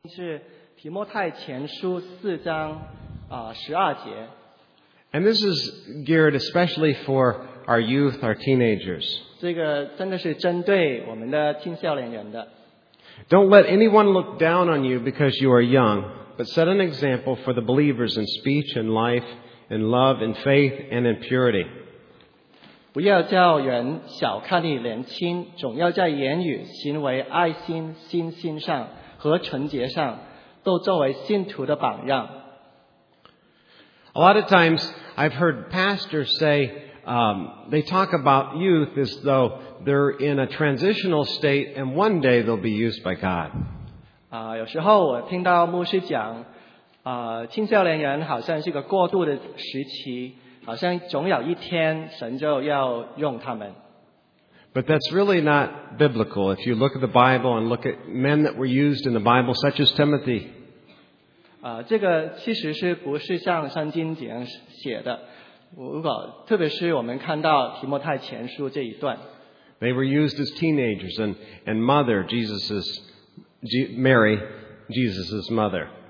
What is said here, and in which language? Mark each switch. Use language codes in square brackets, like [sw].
[zh] 是提摩太前书四章十二节。 [en] And this is geared especially for our youth, our teenagers. [zh] 这个真的是针对我们的青少年人的。 [en] Don't let anyone look down on you because you are young, but set an example for the believers in speech and life, in love, in faith, and in purity. [zh] 不要叫人小看你年轻，总要在言语、行为、爱心、信心上和纯洁上，都作为信徒的榜样。 [en] A lot of times, I've heard pastors say, they talk about youth as though they're in a transitional state and one day they'll be used by God. [zh] 有时候我听到牧师讲，青少年人好像是个过渡的时期，好像总有一天神就要用他们。 [en] But that's really not biblical. If you look at the Bible and look at men that were used in the Bible, such as Timothy, [zh] 这个其实是不是像圣经这样写的？如果特别是我们看到提摩太前书这一段 [en] ，They were used as teenagers and mother, Jesus's Mary, Jesus's mother.